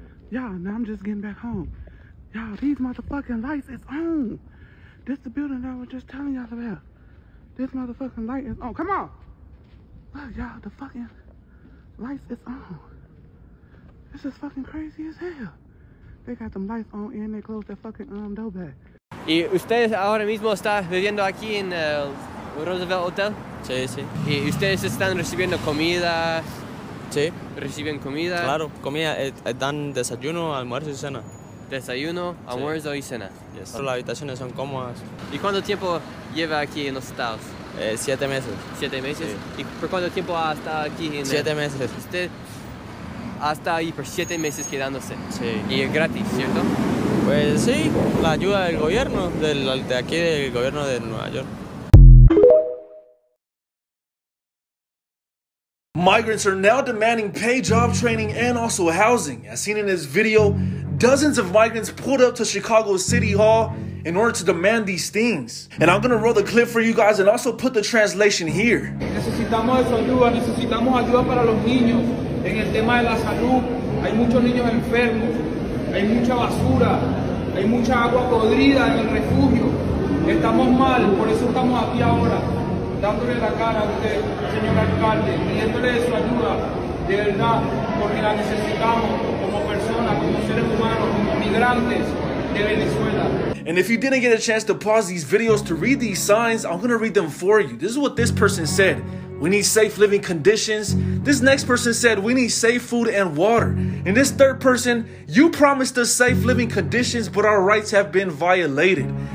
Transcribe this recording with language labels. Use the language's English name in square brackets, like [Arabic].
[English] Y'all, now I'm just getting back home. Y'all, these motherfucking lights is on. This the building I was just telling y'all about. This motherfucking light is on. Come on. Look, y'all, the fucking lights is on. This is fucking crazy as hell. They got them lights on and they closed their fucking door back. [Spanish] ¿Y ustedes ahora mismo están viviendo aquí en el Roosevelt Hotel? Sí, sí. ¿Y ustedes están recibiendo comida? Sí. ¿Reciben comida? Claro, comida. Dan desayuno, almuerzo y cena. Desayuno, almuerzo sí. Y cena. Yes. Las habitaciones son cómodas. ¿Y cuánto tiempo lleva aquí en los Estados? 7 meses. ¿Siete meses? Sí. ¿Y por cuánto tiempo ha estado aquí? En 7 meses. ¿Usted ha estado ahí por 7 meses quedándose? Sí. ¿Y es gratis, cierto? Pues sí, la ayuda del gobierno, de aquí del gobierno de Nueva York. [English] Migrants are now demanding pay, job training, and also housing. As seen in this video, dozens of migrants pulled up to Chicago's City Hall in order to demand these things. And I'm gonna roll the clip for you guys and also put the translation here. [Spanish] Necesitamos ayuda, para los niños en el tema de la salud. Hay muchos niños enfermos, hay mucha basura, hay mucha agua podrida en el refugio. Estamos mal, por eso estamos aquí ahora. Dándole la cara a usted, señor alcalde, pidiéndole su ayuda, de verdad, porque la necesitamos como personas, como seres humanos, como migrantes de Venezuela. [English] And if you didn't get a chance to pause these videos to read these signs, I'm gonna read them for you. This is what this person said. We need safe living conditions. This next person said, we need safe food and water. And this third person, you promised us safe living conditions, but our rights have been violated.